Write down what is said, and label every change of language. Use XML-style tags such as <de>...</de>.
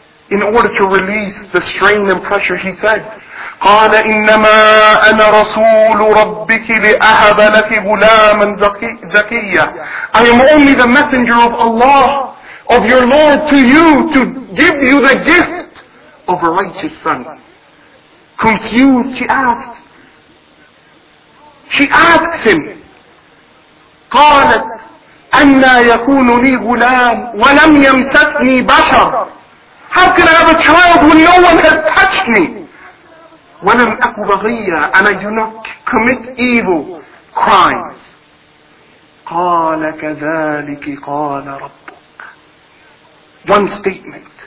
<en>In order to release the strain and pressure, he said,</en> <ar>قَالَ إِنَّمَا أَنَا رَسُولُ رَبِّكِ لِأَهَبَ لَكِ غُلَامًا زَكِيًّا.</ar> <en>I am only the messenger of Allah, of your Lord, to you, to give you the gift of a righteous son. Confused, she asked. She asks him,</en> <ar>قَالَتْ أَنَّا يَكُونُ لِي غُلَامٌ وَلَمْ يَمْسَكْنِي بَشَرٌ.</ar> <en>How can I have a child when no one has touched me?</en> <ar>وَلَمْ أَكُ بَغِيًّا.</ar> <en>And I do not commit evil crimes.</en> <ar>قَالَ كَذَلِكِ قَالَ رَبُّكَ.</ar> <en>One statement.</en>